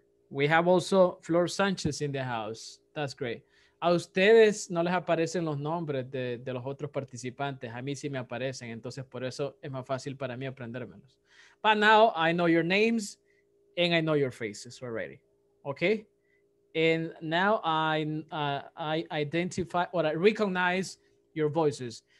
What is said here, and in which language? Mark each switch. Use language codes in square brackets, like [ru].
[en] We have also Flor Sanchez in the house. That's great. [es] A ustedes no les aparecen los nombres de los otros participantes. A mí sí me aparecen. Entonces, por eso es más fácil para mí aprendérmelos. [en] But now, I know your names and I know your faces already. Okay? And now, I identify or I recognize your voices.